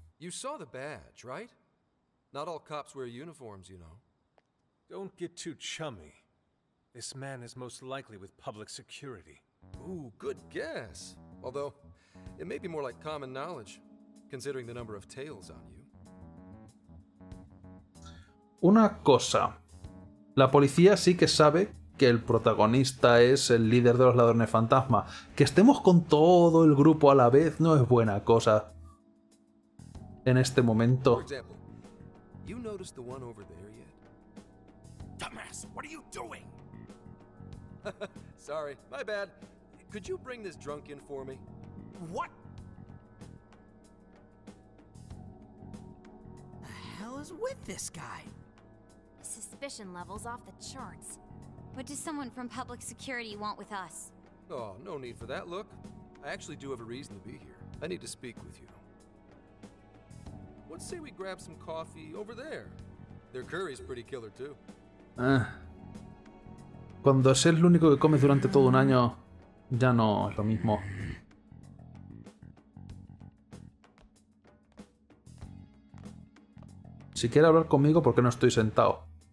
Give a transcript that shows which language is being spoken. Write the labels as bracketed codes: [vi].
[en] You saw the badge, right? Not all cops wear uniforms, you know. Don't get too chummy. This man is most likely with public security. Ooh, good guess. Although, it may be more like common knowledge, considering the number of tails on you. [es] Una cosa. La policía sí que sabe que el protagonista es el líder de los ladrones fantasma. Que estemos con todo el grupo a la vez no es buena cosa. En este momento. [en] You noticed the one over there yet? Dumbass, what are you doing? Sorry, my bad. Could you bring this drunk in for me? What? The hell is with this guy? His suspicion level's off the charts. What does someone from public security want with us? Oh, no need for that look. I actually do have a reason to be here. I need to speak with you. Let's say we grab some coffee over there. Their curry's pretty killer too. [es] Cuando es el único que comes durante todo un año, ya no es lo mismo. Si quiere hablar conmigo, ¿por qué no estoy sentado?